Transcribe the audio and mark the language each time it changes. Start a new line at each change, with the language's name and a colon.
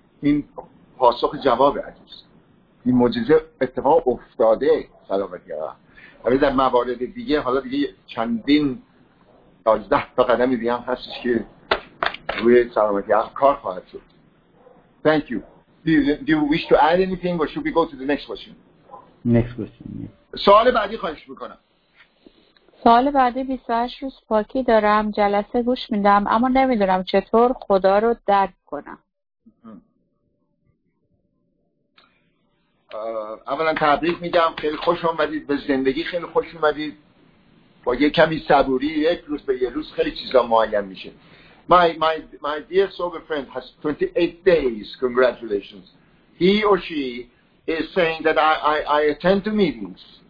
Persian: این پاسخ جواب عزیز، این معجزه اتفاق افتاده. سلامتی عقل ولی در موارد دیگه، حالا دیگه چندین 11 تا قدم دیگه هم هستش که روی سلامتی عقل کار خواهد شد.
English: Thank you. Do you wish to add anything or should we go to the next question? Next question.
Persian: سوال بعدی خواهش میکنم. سوال بعدی 28 روز پاکی دارم، جلسه گوش میدم اما نمیدونم چطور خدا رو درک کنم. اولا تبریک میگم، خیلی خوش اومدید به زندگی، خیلی خوش اومدید. با یه کمی صبوری یک روز به یه روز خیلی چیزا معین میشه.
English: My dear sober friend has 28 days. Congratulations. He or she is saying that I attend to meetings.